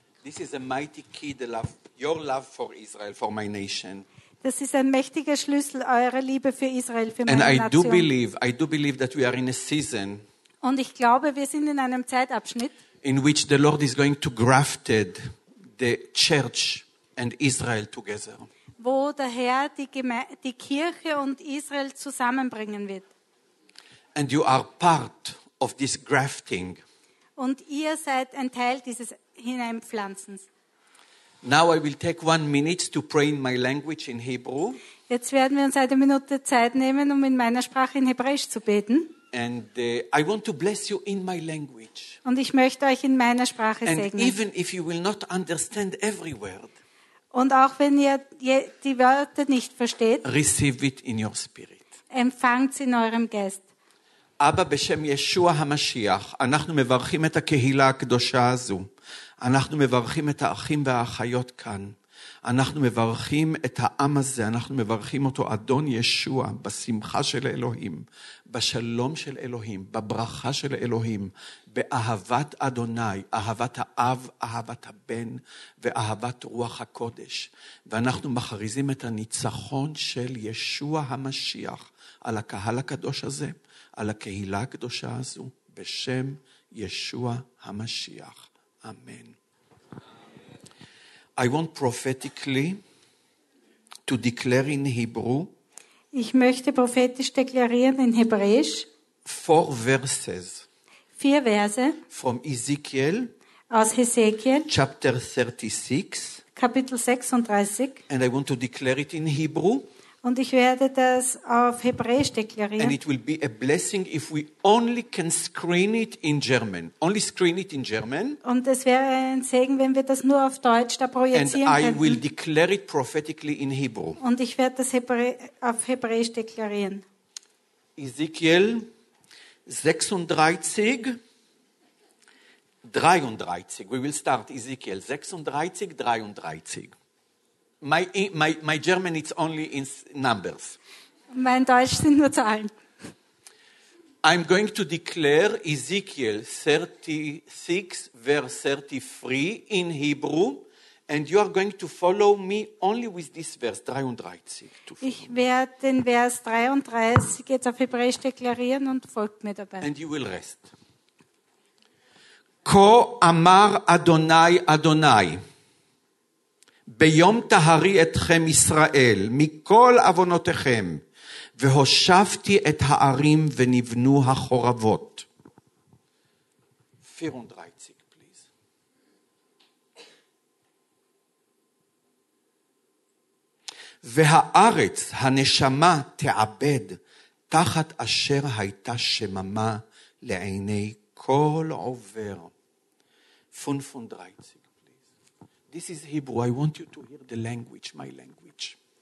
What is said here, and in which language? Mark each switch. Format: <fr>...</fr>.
<en>This is a mighty key, the love, your love for Israel, for my nation.</en> <de>Das ist ein mächtiger Schlüssel, eure Liebe für Israel, für</de> <en>And</en> <de>meine</de> <en>I</en> <de>Nation.</de> <en>Do believe, I do believe that we are in a season.</en> <de>Und ich glaube, wir sind in einem Zeitabschnitt,</de> <en>in which the Lord is going to grafted the church and Israel together.</en> <de>Wo der Herr die Kirche und Israel zusammenbringen wird.</de> <en>And you are part of this grafting.</en> <de>Und ihr seid ein Teil dieses Hineinpflanzens.</de> <en>Now I will take 1 minute to pray in my language in Hebrew.</en> <de>Jetzt werden wir uns eine Minute Zeit nehmen, um in meiner Sprache in Hebräisch zu beten.</de> <en>And I want to bless you in my language.</en> <de>Und ich möchte euch in meiner Sprache</de> <en>and</en> <de>segnen.</de> <en>Even if you will not understand every word.</en> <de>Und auch wenn ihr die Wörter nicht versteht.</de> <en>Receive it in your spirit.</en> <de>Empfangt es in eurem Geist. Aber</de> <he>בשם ישוע המשיח, אנחנו מברכים את הקהילה הקדושה הזו. אנחנו מברכים את האחים והאחיות כאן. אנחנו מברכים את העם הזה, אנחנו מברכים אותו אדון ישוע, בשמחה של אלוהים, בשלום של אלוהים, בברכה של אלוהים, באהבת אדוני, אהבת האב, אהבת הבן, ואהבת רוח הקודש. ואנחנו מכריזים את הניצחון של ישוע המשיח על הקהל הקדוש הזה, על הקהילה הקדושה הזו, בשם ישוע המשיח. אמן.</he> <en>I want prophetically to declare in Hebrew.</en> <de>Ich möchte prophetisch deklarieren in Hebräisch.</de> <en>4 verses.</en> <de>4 Verse.</de> <en>From Ezekiel.</en> <de>Aus Hesekiel.</de> <en>Chapter 36.</en> <de>Kapitel 36.</de> <en>And I want to declare it in Hebrew.</en> <de>Und ich werde das auf Hebräisch deklarieren.</de> <en>And it will be a blessing if we only can screen it in German. Only screen it in German.</en> <de>Und es wäre ein Segen, wenn wir das nur auf Deutsch da projizieren könnten.</de> <en>And I will declare it prophetically in Hebrew.</en> <de>Und ich werde das auf Hebräisch deklarieren.</de> <en>Ezekiel 36, 33. We will start Ezekiel 36, 33. My German is only in numbers.</en> <de>Mein Deutsch sind nur Zahlen.</de> <en>I'm going to declare Ezekiel 36 verse 33 in Hebrew and you are going to follow me only with this verse 33.</en> <de>Ich werde den Vers 33 jetzt auf Hebräisch deklarieren und folgt mir dabei.</de> <en>And you will rest.</en> <he>Kah amar Adonai Adonai. ביום תהרי אתכם ישראל מכל אבונותיכם והושבתי את הערים ונבנו החורבות.</he> <en>34, please.</en> <he>והארץ הנשמה תעבד תחת אשר הייתה שממה לעיני כל עובר.</he> <en>35. This is Hebrew. I want you to hear the language, my language.</en>